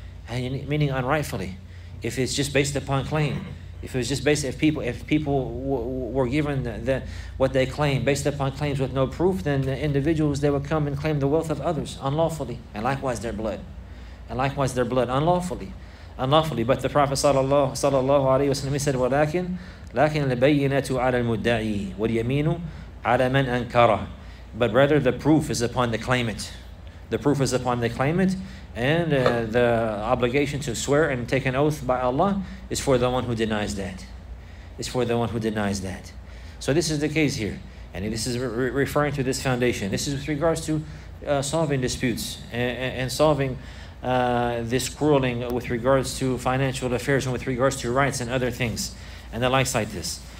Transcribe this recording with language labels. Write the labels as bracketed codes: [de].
[en] Meaning unrightfully, if it's just based upon claim, if people were given what they claim based upon claims with no proof, then the individuals, they would come and claim the wealth of others unlawfully, and likewise their blood, unlawfully. But the Prophet sallallahu alaihi wasallam said, [ar] "ولكن لبينت على المدعي واليمين على من أنكره." [en] But rather, the proof is upon the claimant. The proof is upon the claimant. And the obligation to swear and take an oath by Allah is for the one who denies that. It's for the one who denies that. So this is the case here. And this is referring to this foundation. This is with regards to solving disputes and solving this quarreling with regards to financial affairs and with regards to rights and other things and the likes like this.